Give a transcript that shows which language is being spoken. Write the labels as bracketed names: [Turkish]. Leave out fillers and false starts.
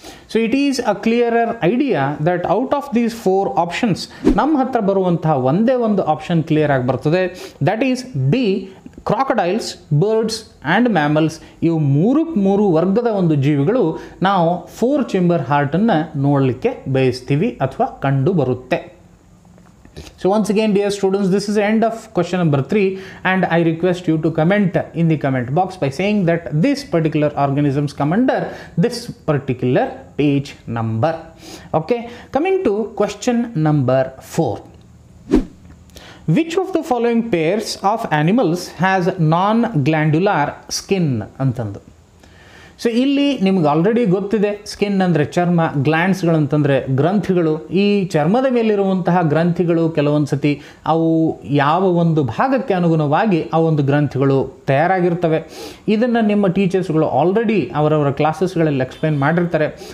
[English] so it is a clearer idea that out of these 4 options [Kannada] ನಮ್ಮ ಹತ್ರ ಬರುವಂತಹ ಒಂದೇ ಒಂದು ಆಪ್ಷನ್ ಕ್ಲಿಯರ್ ಆಗಿ ಬರ್ತದೆ, [English] that is B crocodiles, birds and mammals [Kannada] ಇವು ಮೂರಕ್ಕೆ ಮೂರು ವರ್ಗದ ಒಂದು ಜೀವಿಗಳು ನಾವು 4-chambered ಹಾರ್ಟನ್ನು ನೋಡಲಿಕ್ಕೆ ಬಯಸ್ತೀವಿ ಅಥವಾ ಕಂಡು ಬರುತ್ತೆ. [English] So once again dear students, this is the end of question number 3, and I request you to comment in the comment box by saying that this particular organisms come under this particular page number. Okay, coming to question number 4. Which of the following pairs of animals has non-glandular skin antandu. [Kannada] So ಇಲ್ಲಿ ನಿಮ್ಗೆ already ಗೊತ್ತಿದೆ skin ಅಂದರೆ ಚರ್ಮ, ಗ್ಲ್ಯಾಂಡ್ಸ್ಗಳು ಅಂತಂದರೆ ಗ್ರಂಥಿಗಳು. ಈ ಚರ್ಮದ ಮೇಲಿರುವಂತಹ ಗ್ರಂಥಿಗಳು ಕೆಲವೊಂದು ಸತಿ ಅವು ಯಾವ ಒಂದು ಭಾಗಕ್ಕೆ ಅನುಗುಣವಾಗಿ ಆ ಒಂದು ಗ್ರಂಥಿಗಳು ತಯಾರಾಗಿರ್ತವೆ, ಇದನ್ನು ನಿಮ್ಮ ಟೀಚರ್ಸ್ಗಳು ಆಲ್ರೆಡಿ ಅವರವರ ಕ್ಲಾಸಸ್ಗಳಲ್ಲಿ ಎಕ್ಸ್ಪ್ಲೇನ್ ಮಾಡಿರ್ತಾರೆ.